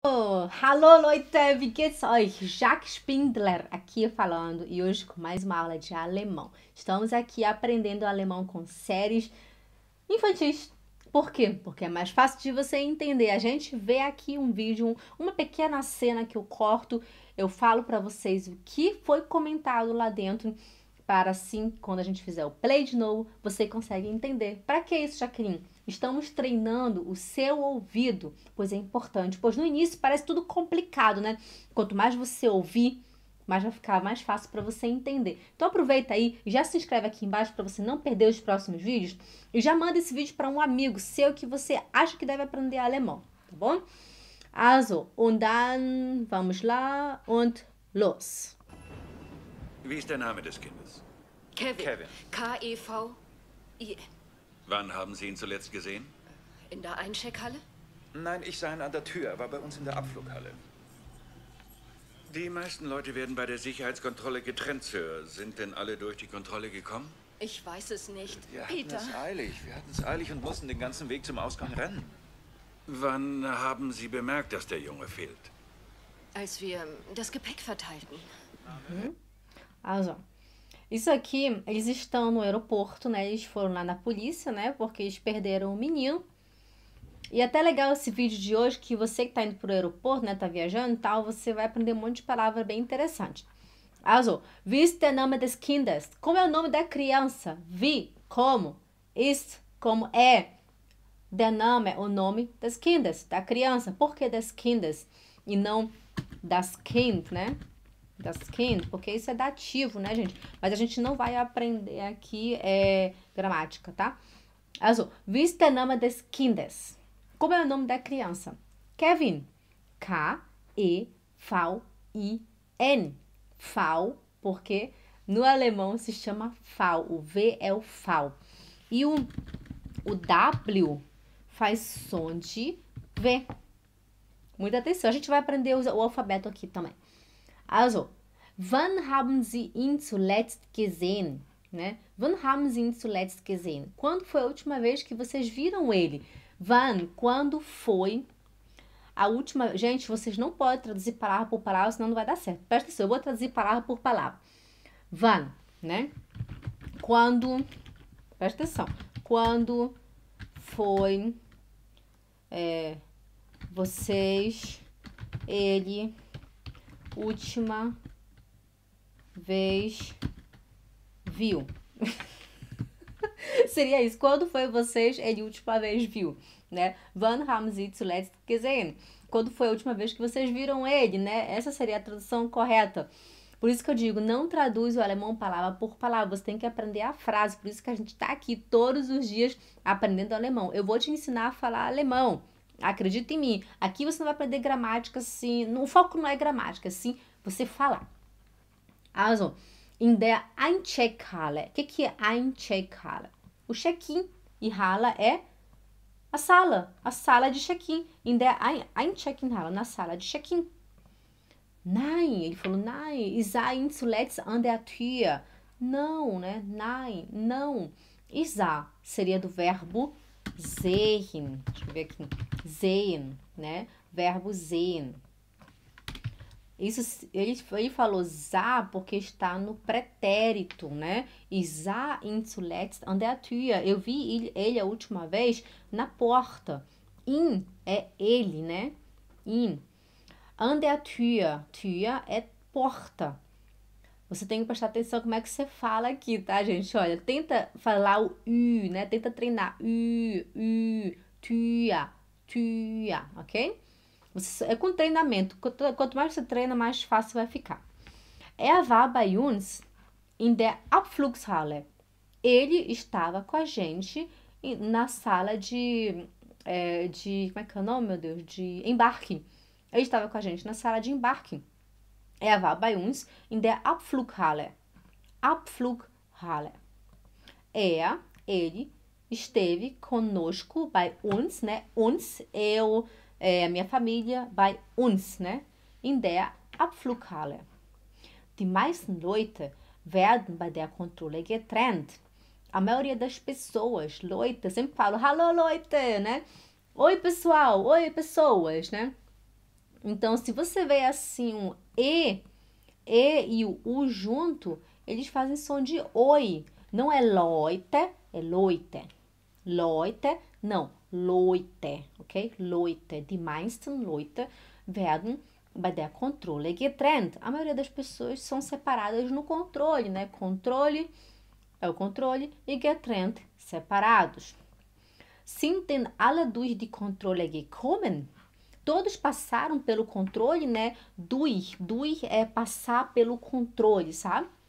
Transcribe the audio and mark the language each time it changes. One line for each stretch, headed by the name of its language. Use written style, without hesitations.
German: Oh, hallo Leute, wie geht's euch?
Portuguese: Jack Spindler aqui falando e hoje com mais uma aula de alemão. Estamos aqui aprendendo alemão com séries infantis. Por quê? Porque é mais fácil de você entender. A gente vê aqui um vídeo, uma pequena cena que eu corto, eu falo para vocês o que foi comentado lá dentro, para assim, quando a gente fizer o play de novo, você consegue entender. Para que isso, Jacqueline? Estamos treinando o seu ouvido, pois é importante. Pois no início parece tudo complicado, né? Quanto mais você ouvir, mais vai ficar mais fácil para você entender. Então aproveita aí e já se inscreve aqui embaixo para você não perder os próximos vídeos. E já manda esse vídeo para um amigo seu que você acha que deve aprender alemão, tá bom?
German: Also, und dann,
Portuguese: vamos lá,
German: und los! Wie ist der Name des Kindes? Kevin. Kevin. Kevin. Wann haben Sie ihn zuletzt gesehen? In der Eincheckhalle? Nein, ich sah ihn an der Tür. Er war bei uns in der Abflughalle. Die meisten Leute werden bei der Sicherheitskontrolle getrennt, Sir. Sind denn alle durch die Kontrolle gekommen? Ich weiß es nicht. Wir Peter. Hatten es eilig. Wir hatten es eilig und mussten den ganzen Weg zum Ausgang rennen. Wann haben Sie bemerkt, dass der Junge fehlt? Als wir das Gepäck verteilten.
Portuguese: Also, isso aqui, eles estão no aeroporto, né? Eles foram lá na polícia, né? Porque eles perderam o menino. E até legal esse vídeo de hoje, que você que tá indo pro aeroporto, né? Tá viajando e tal, você vai aprender um monte de palavra bem interessante.
German: Also, wie ist der Name des Kindes?
Portuguese: Como é o nome da criança? Wie, como? Ist, como é?
German: Der Name,
Portuguese: o nome
German: des Kindes,
Portuguese: da criança. Por que des Kindes? E não
German: das Kind,
Portuguese: né?
German: Das Kind,
Portuguese: porque isso é dativo, né, gente? Mas a gente não vai aprender aqui gramática, tá?
German: Also, wie ist der Name des Kindes?
Portuguese: Como é o nome da criança? Kevin. K-E-V-I-N. V, porque no alemão se chama V. O V é o V. E o W faz som de V. Muita atenção. A gente vai aprender o alfabeto aqui também.
German: Also, Wann haben Sie ihn zuletzt gesehen? Né? Wann haben Sie ihn zuletzt gesehen?
Portuguese: Quando foi a última vez que vocês viram ele? Wann, quando foi a última. Gente, vocês não podem traduzir palavra por palavra, senão não vai dar certo. Presta atenção, eu vou traduzir palavra por palavra. Wann, né? Quando. Presta atenção. Quando foi. Vocês. Ele. Última. Vez viu. Seria isso. Quando foi vocês, ele última vez viu, né?
German: Wann haben Sie zuletzt gesehen?
Portuguese: Quando foi a última vez que vocês viram ele, né? Essa seria a tradução correta. Por isso que eu digo, não traduz o alemão palavra por palavra. Você tem que aprender a frase. Por isso que a gente tá aqui todos os dias aprendendo alemão. Eu vou te ensinar a falar alemão. Acredita em mim. Aqui você não vai aprender gramática assim. O foco não é gramática, sim, você falar. Also,
German: in der Eincheckhalle.
Portuguese: Que é Eincheckhalle? O check-in. E Halle é a sala. A sala de check-in.
German: In der Eincheckhalle.
Portuguese: Na sala de check-in. Nein. Ele falou nein.
German: Ist er ihn zuletzt an der Tür?
Portuguese: Não, né?
German: Nein. Não. Ist er
Portuguese: seria do verbo sehen. Deixa eu ver aqui. Sehen, né? Verbo sehen. Isso, ele falou sa porque está no pretérito, né? E
German: sa ihn zuletzt an der Tür.
Portuguese: Eu vi ele a última vez na porta. In é ele, né? In.
German: An der Tür.
Portuguese: Tür é porta. Você tem que prestar atenção como é que você fala aqui, tá, gente? Olha, tenta falar o ü, né? Tenta treinar. Ü,
German: Tür, Tür,
Portuguese: ok? É com treinamento. Quanto mais você treina, mais fácil vai ficar.
German: Er war bei uns in der Abflugshalle.
Portuguese: Ele estava com a gente na sala de como é que é o nome, meu Deus? De embarque. Ele estava com a gente na sala de embarque.
German: Er war bei uns in der Abflughalle. Abflughalle.
Portuguese: Ele esteve conosco,
German: bei uns,
Portuguese: né? Uns, eu. É, a minha família,
German: bei uns,
Portuguese: né?
German: In der Abflughalle. Die meisten Leute werden bei der Kontrolle getrennt.
Portuguese: A maioria das pessoas, Leute, sempre falo,
German: hallo Leute,
Portuguese: né? Oi, pessoal, oi, pessoas, né? Então, se você vê assim um e e o u junto, eles fazem som de oi. Não é loite, é loite. Loite, não. Loite, ok? Loite.
German: Die meisten Leute werden bei der Kontrolle getrennt.
Portuguese: A maioria das pessoas são separadas no controle, né? Controle é o controle e getrennt, separados.
German: Sind denn alle durch die Kontrolle gekommen?
Portuguese: Todos passaram pelo controle, né? Durch é passar pelo controle, sabe?